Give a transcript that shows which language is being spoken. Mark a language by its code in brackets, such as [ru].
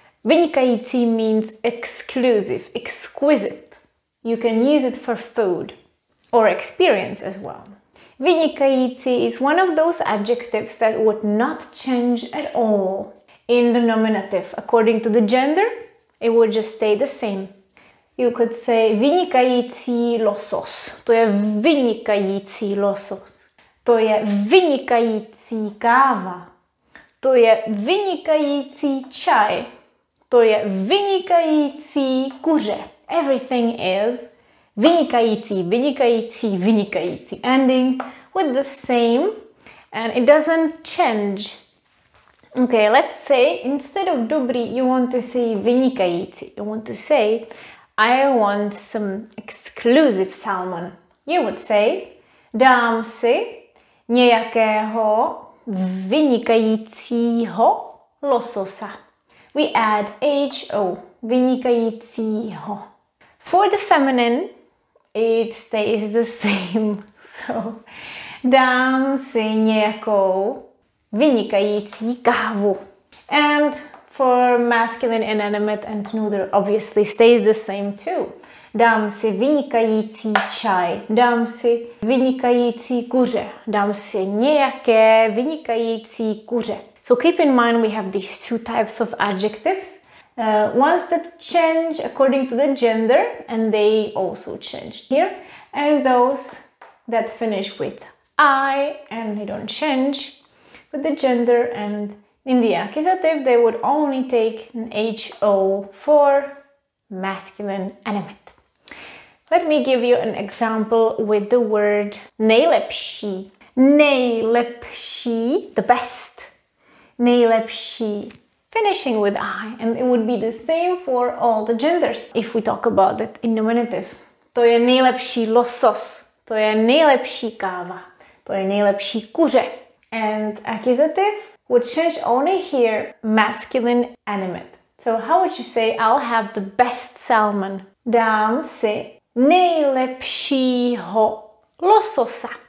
[en] Vynikající means exclusive, exquisite. You can use it for food or experience as well. Vynikající is one of those adjectives that would not change at all in the nominative. According to the gender, it would just stay the same. You could say [cs] vynikající losos. To je vynikající losos. To je vynikající káva. To je vynikající čaj. To je vynikající kuře. [en] Everything is [cs] vynikající, vynikající, vynikající. [en] Ending with the same and it doesn't change. Okay, let's say instead of dobrý, you want to say vynikající. You want to say, I want some exclusive salmon. You would say, [cs] dám si nějakého vynikajícího lososa. [en] We add H-O, vynikajícího. For the feminine, it stays the same. [cs] So, dám si nějakou vynikající kávu. [en] And for masculine, inanimate and neuter, obviously stays the same too. [cs] Dám si vynikající čaj, dám si vynikající kuře, dám si nějaké vynikající kuře. [en] So keep in mind we have these two types of adjectives. Ones that change according to the gender and they also change here. And those that finish with I and they don't change with the gender. And in the accusative they would only take an H-O for masculine animate. Let me give you an example with the word nejlepší. Nejlepší, the best. Nejlepší, finishing with I. And it would be the same for all the genders. If we talk about it in nominative. [cs] To je nejlepší losos. To je nejlepší káva. To je nejlepší kuře. [en] And accusative would change only here masculine animate. So how would you say I'll have the best salmon? [cs] Dám si nejlepšího lososa.